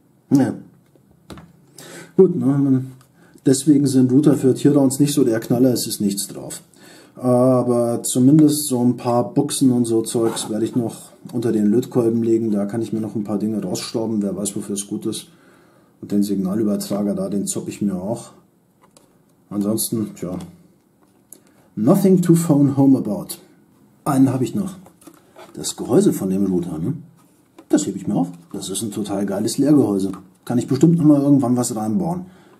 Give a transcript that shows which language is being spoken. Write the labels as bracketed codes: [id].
[de] Ja. Gut, ne? Deswegen sind Router für Teardowns nicht so der Knaller, es ist nichts drauf. Aber zumindest so ein paar Buchsen und so Zeugs werde ich noch unter den Lötkolben legen. Da kann ich mir noch ein paar Dinge rausstauben, wer weiß, wofür es gut ist. Und den Signalübertrager da, den zopp ich mir auch. Ansonsten, tja. [en] Nothing to phone home about. [de] Einen habe ich noch. Das Gehäuse von dem Router, ne? Das hebe ich mir auf. Das ist ein total geiles Leergehäuse. Kann ich bestimmt nochmal irgendwann was reinbauen.